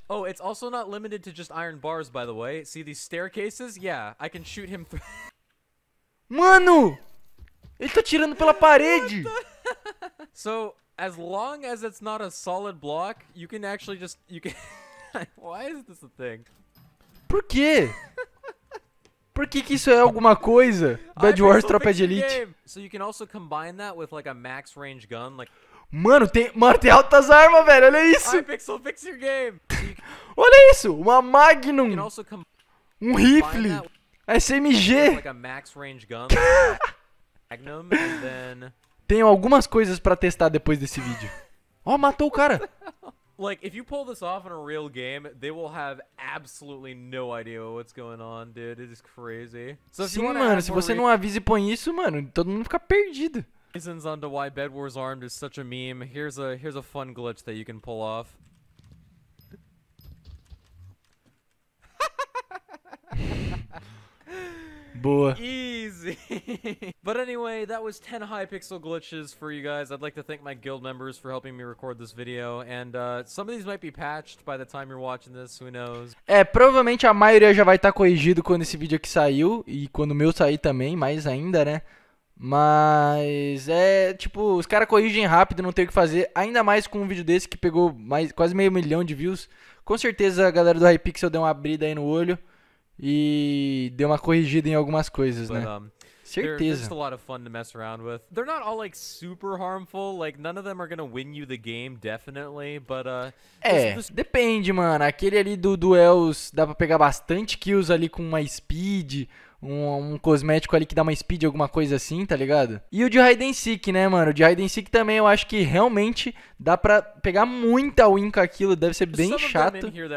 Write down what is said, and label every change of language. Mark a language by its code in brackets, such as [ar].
[en] Oh, it's also not limited to just iron bars, by the way. See these staircases? Yeah, I can shoot him. [pt] Mano! Ele tá atirando pela parede! [en] So. As long as it's not a solid block, you can actually just... You can... Why is this a thing? [pt] Por quê? Por que que isso é alguma coisa? Bad Wars, tropa de elite. [en] So you can also combine that with like a max range gun, like... [pt] Mano, tem altas armas, velho, olha isso! [en] Hypixel, fix your game! [pt] Olha isso! Uma Magnum! Um rifle! SMG! [en] Like a max range gun, like a Magnum, and then... [pt] Tenho algumas coisas pra testar depois desse vídeo. Ó, oh, matou o cara. [en] Like, if you pull this off in a real game, they will have absolutely no idea what's going on, dude. It is crazy. [pt] So, sim, mano, se você não avisa e põe isso, mano, todo mundo fica perdido. [en] Reasons on to why Bed Wars Armed is such a meme. Here's a fun glitch that you can pull off. [pt] Boa. [en] Easy. But anyway, that was 10 Hypixel glitches for you guys. I'd like to thank my guild members for helping me record this video. And some of these might be patched by the time you're watching this, who knows. [pt] É, provavelmente a maioria já vai estar corrigido quando esse vídeo aqui saiu. E quando o meu sair também, mais ainda, né? Mas é, tipo, os caras corrigem rápido, não tem o que fazer. Ainda mais com um vídeo desse que pegou mais, quase 500,000 de views. Com certeza a galera do Hypixel deu uma abrida aí no olho. E deu uma corrigida em algumas coisas, né? Certeza. [en] Just a lot of fun to mess around with. They're not all like super harmful, like none of them are gonna win you the game definitely, but [pt] depende, mano. Aquele ali do duels dá para pegar bastante kills ali com uma speed, um cosmético ali que dá uma speed, alguma coisa assim, tá ligado? E o de Hide and Seek, né, mano? O de Hide and Seek também eu acho que realmente dá pra pegar muita win com aquilo, deve ser bem chato.